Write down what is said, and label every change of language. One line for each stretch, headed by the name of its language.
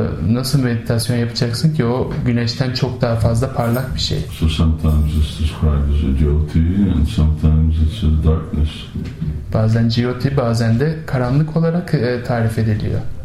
Turkish: Nasıl meditasyon yapacaksın ki, o güneşten çok daha fazla parlak bir şey.
English: So sometimes it's described as a jyoti and sometimes it's a darkness.
Turkish: Bazen jyoti, bazen de karanlık olarak tarif ediliyor.